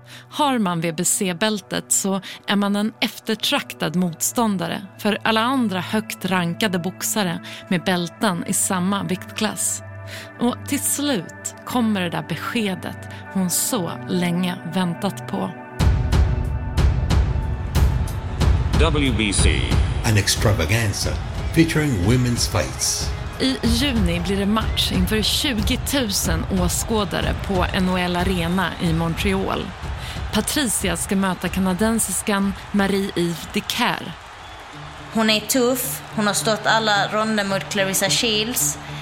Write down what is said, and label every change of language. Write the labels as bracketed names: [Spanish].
[Swedish] Har man WBC-bältet så är man en eftertraktad motståndare för alla andra högt rankade boxare med bälten i samma viktklass. Och till slut kommer det där beskedet hon så länge väntat på. [English] WBC, an extravaganza featuring women's fights. [Swedish] I juni blir det match inför 20 000 åskådare på NHL Arena i Montreal. Patricia ska möta kanadensiskan Marie-Yves Decker. Hon är tuff, hon har stått alla ronder mot Clarissa Shields.